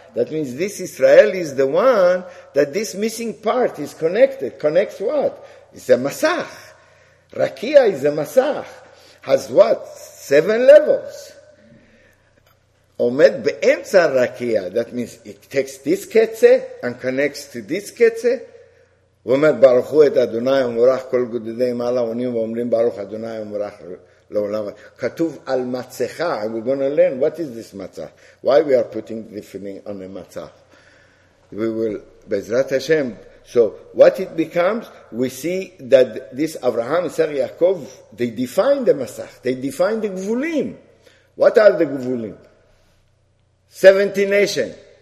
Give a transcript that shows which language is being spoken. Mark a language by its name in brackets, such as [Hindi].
[English] That means this Israel is the one that this missing part is connected. Connects what? It's a Masach. Rakia is a Masach. Has what? 7 levels. [Hebrew] Omed Be'emtza Rakia. [English] That means it takes this Ketzeh and connects to this Ketzeh. [Hebrew] ואומר ברוך הוא את אדוני ומורך כל גודדי מעלה עונים ואומרים ברוך אדוני ומורך לעולם. כתוב על מצחה. [English] And we're going to learn what is this מצח. Why we are putting the filling on the מצח. We will, [Hebrew] בעזרת השם. [English] So what it becomes, we see that this Abraham, Yisrael, Yaakov, they define the מצח. They define the גבולים. What are the גבולים? 70 nations.